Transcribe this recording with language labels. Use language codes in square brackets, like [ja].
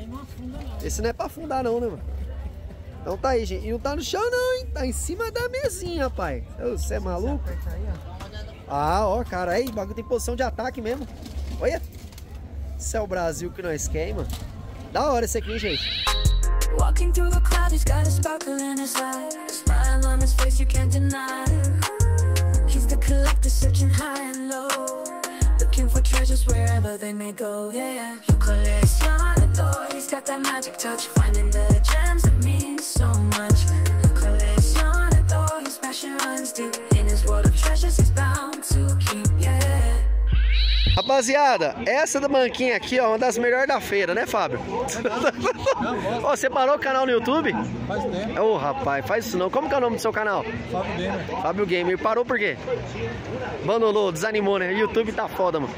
[pt] Não afunda, não. Esse não é pra afundar, não, né, mano? Então tá aí, gente. E não tá no chão, não, hein? Tá em cima da mesinha, pai. Você é maluco? Ah, ó, cara. Aí, o bagulho tem posição de ataque mesmo. Olha. Isso é o Brasil que nós queremos, mano. Da hora esse aqui, gente. [en] Walking through the clouds, he's got a sparkle in his eye. A smile on his face, you can't deny. He's the collector searching high and low. Looking for treasures wherever they may go, yeah, yeah. You coleccionador, he's got that magic touch. Finding the gems that mean so much. You coleccionador, his passion runs deep. In his world of treasures, he's bound to keep, yeah. [pt] Rapaziada, essa da banquinha aqui, ó, uma das melhores da feira, né, Fábio? Ó, você parou o canal no YouTube? Faz tempo. Ô, rapaz, faz isso não. Como que é o nome do seu canal? Fábio Gamer. Fábio Gamer. Parou por quê? Abandonou, desanimou, né? YouTube tá foda, mano.